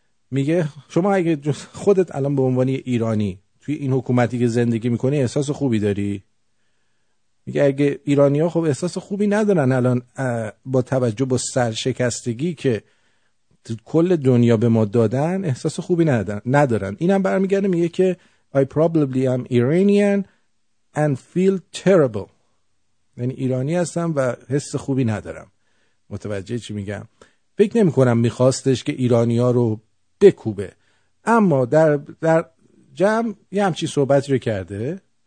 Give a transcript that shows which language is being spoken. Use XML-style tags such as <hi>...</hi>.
<fa>میگه شما اگه خودت الان به عنوان ایرانی توی این حکومتی که زندگی میکنی احساس خوبی داری؟ میگه اگه ایرانی ها خب احساس خوبی ندارن الان با توجه به سرشکستگی که کل دنیا به ما دادن، احساس خوبی ندارن. اینم برمیگرده میگه که</fa> <en>I probably am Iranian and feel terrible.</en> <fa>یعنی ایرانی هستم و حس خوبی ندارم. متوجه چی میگم؟ فکر نمی کنم میخواستش که ایرانی ها رو بکوبه، اما در جمع یه همچین صحبتی رو کرده.</fa>